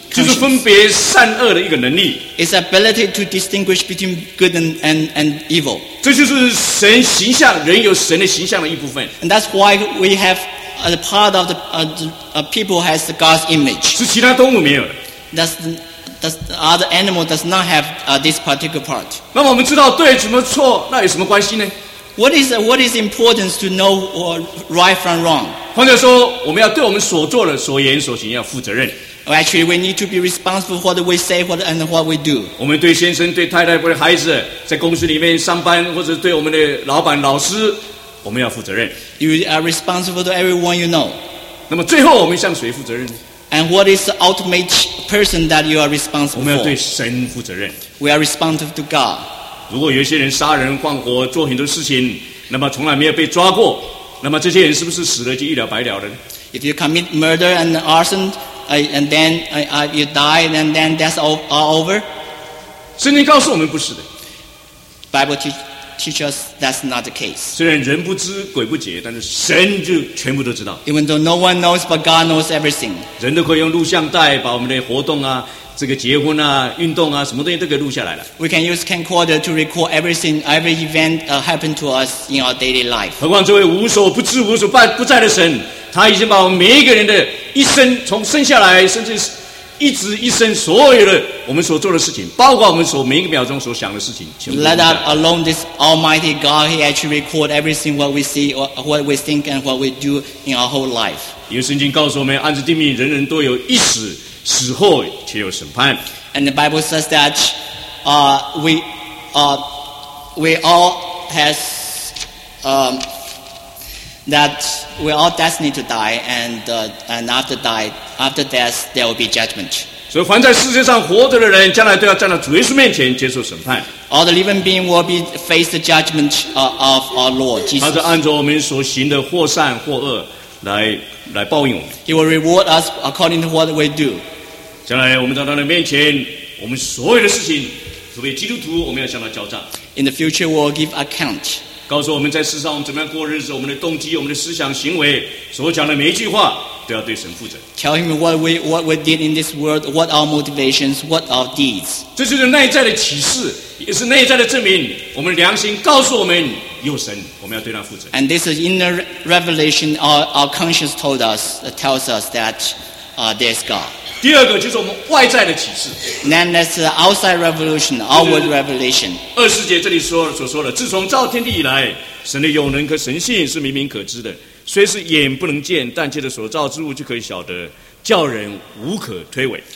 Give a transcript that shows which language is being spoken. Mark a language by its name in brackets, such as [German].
[Chinese] 就是分别善恶的一个能力。 [English] It's ability to distinguish between good and evil. [Chinese] 这就是神形象，人有神的形象的一部分。 [English] And that's why we have a part of the people has God's image. [Chinese] 是其他动物没有的。 [English] That's the other animal does not have this particular part. [Chinese] 那么我们知道对什么错，那有什么关系呢？ [English] What is important to know right from wrong? [Chinese] 或者说，我们要对我们所做的、所言、所行要负责任。 [English] Actually, we need to be responsible for what we say and what we do. [Chinese] 我们对先生、对太太、对孩子，在公司里面上班，或者对我们的老板、老师，我们要负责任。 [English] You are responsible to everyone you know. [Chinese] 那么最后，我们向谁负责任？ [English] And what is the ultimate person that you are responsible for? [Chinese] 我们要对神负责任。 [English] We are responsible to God. [Chinese] 如果有些人杀人、放火、做很多事情，那么从来没有被抓过，那么这些人是不是死了就一了百了了呢？ [English] If you commit murder and arson, and then you die, and then that's all over? [Chinese] 圣经告诉我们不是的。 [English] Bible teach us that's not the case. [Chinese] 虽然人不知鬼不觉，但是神就全部都知道。 [English] Even though no one knows, but God knows everything. [Chinese] 人都可以用录像带把我们的活动啊、这个结婚啊、运动啊，什么东西都给录下来了。 [English] We can use camcorder to record everything, every event happened to us in our daily life. [Chinese] 何况这位无所不知、无所不在的神，他已经把我们每一个人的一生，从生下来，甚至一直一生，所有的我们所做的事情，包括我们所每一个秒钟所想的事情，全部。 [English] Let alone this Almighty God, He actually records everything what we see, what we think, and what we do in our whole life. [Chinese] 因为圣经告诉我们，按着定命，人人都有一死。死后却有审判。 [English] And the Bible says that, we all destined to die, and after death there will be judgment. [Chinese] 所以，凡在世界上活着的人，将来都要站到主耶稣面前接受审判。 [English] All the living beings will be face the judgment of our Lord Jesus. [Chinese] 他是按照我们所行的或善或恶来报应我们。 [English] He will reward us according to what we do. [Chinese] 将来我们在他的面前，我们所有的事情，特别基督徒，我们要向他交账。 [English] In the future, we'll give account. [Chinese] 告诉我们在世上我们怎么样过日子，我们的动机、我们的思想、行为，所讲的每一句话都要对神负责。 [English] Tell him what we did in this world, what our motivations, what our deeds. [Chinese] 这就是内在的启示，也是内在的证明。我们良心告诉我们有神，我们要对他负责。 [English] And this is inner revelation. Our conscience told us, tells us that, there's God. [Chinese] 第二个就是我们外在的启示。 [English] Then that's the outside revolution, outward revelation. [Chinese] 二十节这里所说的，自从造天地以来，神的有能和神性是明明可知的，虽是眼不能见，但借着所造之物就可以晓得，叫人无可推诿。